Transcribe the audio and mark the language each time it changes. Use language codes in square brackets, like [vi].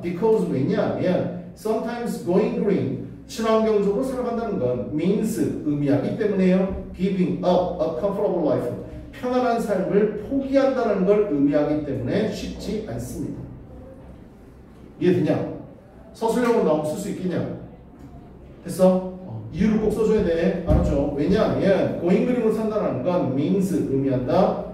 [en] Because [ko] 왜냐하면 [en] sometimes going green. [ko] 친환경적으로 살아간다는 건 means, 의미하기 때문에요. [en] Giving up a comfortable life. [ko] 편안한 삶을 포기한다는 걸 의미하기 때문에 쉽지 않습니다. 이해되냐? 서술형으로 나오면 쓸 수 있겠냐? 됐어? 이유를 꼭 써줘야 돼. 알았죠? 왜냐하면 [en] going green [ko] 으로 산다는 건 means 의미한다.